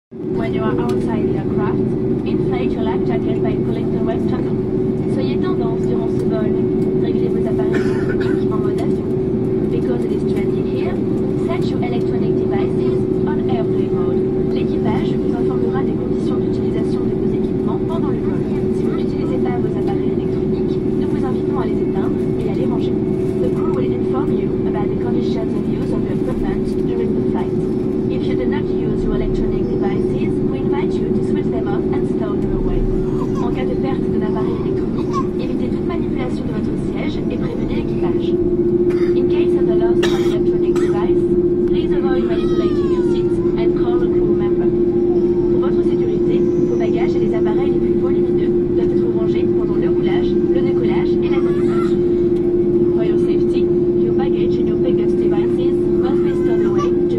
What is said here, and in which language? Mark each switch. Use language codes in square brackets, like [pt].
[en] When you are outside the aircraft, inflate your life jacket by pulling the waist tucker. [fr] Soyez tendance durant ce vol. Réglez vos appareils électroniques en mode avion. [en] Because it is trending here, set your electronic devices on airplane mode. [fr] L'équipage vous informera des conditions d'utilisation de vos équipements pendant le vol. Si vous n'utilisez pas vos appareils électroniques, nous vous invitons à les éteindre et à les ranger. [en] The crew will inform you about the conditions of use of your equipment during the flight. If you do not use your electronic devices, we invite you to switch them off and stow them away. [fr] En cas de perte d'un appareil électronique, évitez toute manipulation de votre siège et prévenez l'équipage. [en] In case of the loss of an electronic device, please avoid manipulating your seat and call a crew member. [fr] Pour votre sécurité, vos bagages et les appareils les plus volumineux doivent être rangés pendant le roulage, le décollage et l'atterrissage. [en] For your safety, your baggage and your pickup devices must be stowed away.